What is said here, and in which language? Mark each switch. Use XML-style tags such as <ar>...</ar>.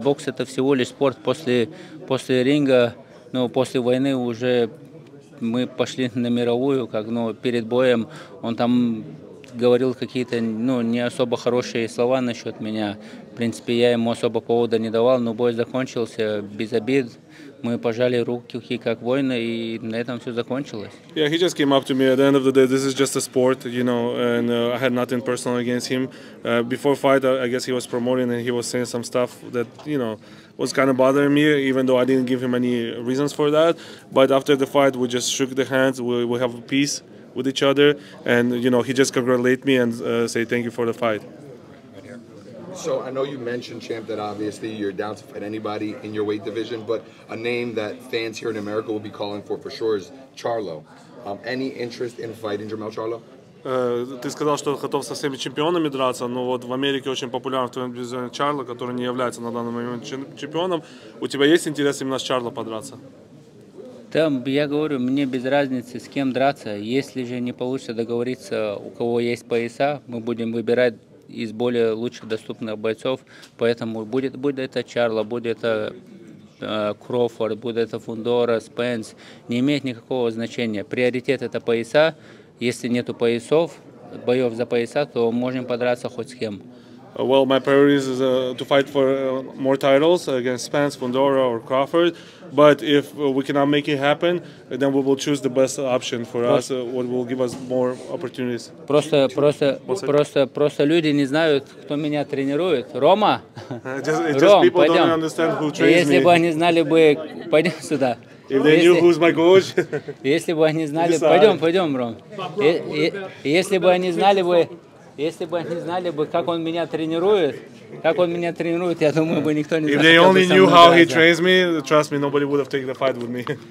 <ru>Бокс — это всего лишь спорт. После ринга, ну, после войны уже мы пошли на мировую, как, ну, перед боем он там говорил какие-то, ну, не особо хорошие слова насчет меня. В принципе, я ему особо повода не давал, но бой закончился без обид. Мы пожали руки как воины, и на этом все закончилось.</ru> <en>Yeah, he just came up to me. At the end of the day, this is just a sport, you know, and I had nothing personal against him. Before fight, I guess he was promoting and he was saying some stuff that, you know, was kind of bothering me, even though I didn't give him any reasons for that. But after the fight, we just shook the hands, we have peace with each other, and, you know, he just congratulated me and said thank you for the fight. So I know you mentioned, Champ, that obviously you're down to fight anybody in your weight division, but a name that fans here in America will be calling for sure is Charlo. Any interest in fighting Jermell Charlo?</en> <ru>Ты сказал, что готов со всеми чемпионами драться, но вот в Америке очень популярен в твоем дивизионе Чарло, который не является на данный момент чемпионом. У тебя есть интерес именно с Чарло подраться? Да, я говорю, мне без разницы, с кем драться. Если же не получится договориться, у кого есть пояса, мы будем выбирать из более лучших доступных бойцов. Поэтому будет это Чарло, будет это Кроуфорд, будет это Фундора, Спенс, не имеет никакого значения. Приоритет – это пояса. Если нету поясов, боев за пояса, то можем подраться хоть с кем.</ru> <en>Well, my priority is to fight for more titles against Spence, Fundora or Crawford. But if we cannot make it happen, then we will choose the best option for us, what will give us more opportunities.</en> <ru>Просто люди не знают, кто меня тренирует. Рома?</ru> <en>Just people don't understand who trains me.</en> <ru>Если бы они знали, бы пойдем сюда.</ru> <en>If they knew who's my coach.</en> <ru>Если бы они знали, пойдем, Ром. Если бы они знали, как он меня тренирует, я думаю, бы никто не знал.</ru> <en>If they only knew how he trains me, trust me, nobody would have taken the fight with me.</en>